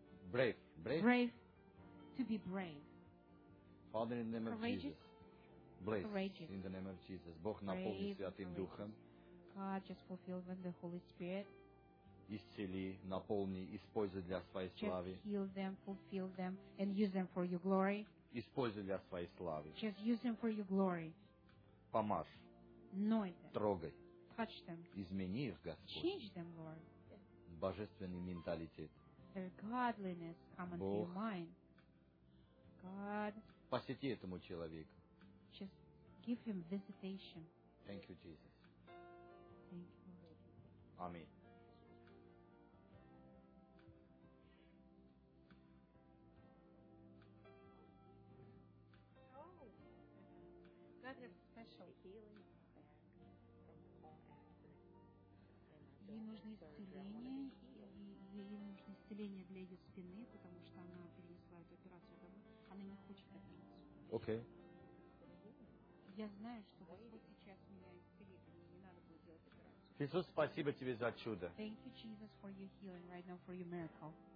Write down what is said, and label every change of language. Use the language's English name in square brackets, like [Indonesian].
[English] brave. Brave. Brave. To be brave. Father, in the name courageous. Of Jesus. Blessed. Courageous. In the name of Jesus. [Russian] Бог наповни Святым Духом. [English] God, just fulfill them the Holy Spirit. [Russian] Исцели, наполни, используй для своей славы. [English] Just heal them, fulfill them, and use them for your glory. [Russian] Используй для своей славы. [English] Just use them for your glory. [Russian] Помажь. [English] Anoint them. [Russian] Трогай. [English] Touch them. [Russian] Измени их, Господь. [English] Change them, Lord. [Russian] Божественный менталитет. [English] Their godliness come into your mind. God. [Russian] Посети этому человеку. [English] Just give him visitation. Thank you, Jesus. Thank you, Lord. Amen. [Russian] Ей нужно исцеление, ей нужно исцеление для ее спины, потому что она перенесла эту операцию домой. Она не хочет это делать. Окей. Я знаю, что Господь сейчас меня исцелит, мне не надо будет делать операцию. Иисус, спасибо тебе за чудо. [English] Thank you, Jesus, for your healing right now, for your miracle.